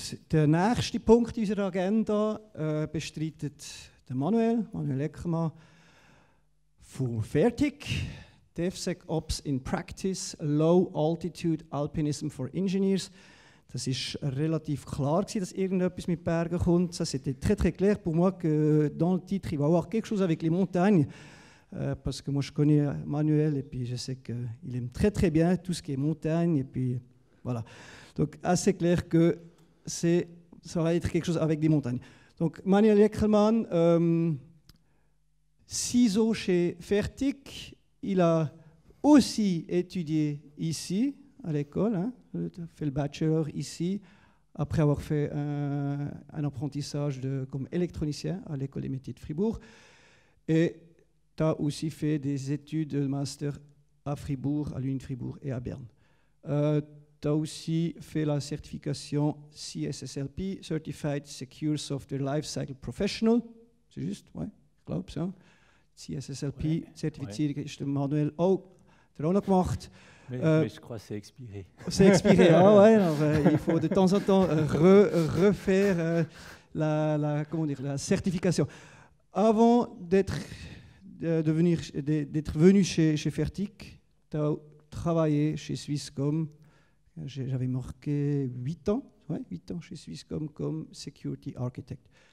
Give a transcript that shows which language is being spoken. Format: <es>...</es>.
<de>Der nächste Punkt unserer Agenda bestreitet der Manuel Eckermann von Fertig.</de> <en>DevSecOps in Practice, Low Altitude Alpinism for Engineers.</en> <de>Das war relativ klar, dass irgendetwas mit Bergen kommt. Das war</de> <fr>très, très clair pour moi que dans le titre, il va y avoir quelque chose avec les montagnes. Parce que moi, je connais Manuel et puis je sais qu'il aime très, très bien tout ce qui est montagne. Et puis, voilà. Donc, assez clair que ça va être quelque chose avec des montagnes. Donc, Manuel Eckermann, ciseaux chez Fertig. Il a aussi étudié ici, à l'école, hein, fait le bachelor ici, après avoir fait un apprentissage comme électronicien à l'école des métiers de Fribourg. Et tu as aussi fait des études de master à Fribourg, à l'Uni de Fribourg et à Berne. Tu as aussi fait la certification CSSLP, Certified Secure Software Lifecycle Professional. C'est juste, ouais, je crois, ça. CSSLP, ouais.</fr> <de>Certifizierung ist der Manuel auch, hat er auch noch gemacht.</de> <fr>Mais je crois que c'est expiré. C'est expiré, ah ouais, alors, il faut de temps en temps refaire la certification. Avant d'être venu chez Fertig, tu as travaillé chez Swisscom, j'avais marqué 8 ans chez Swisscom comme Security Architect.</fr>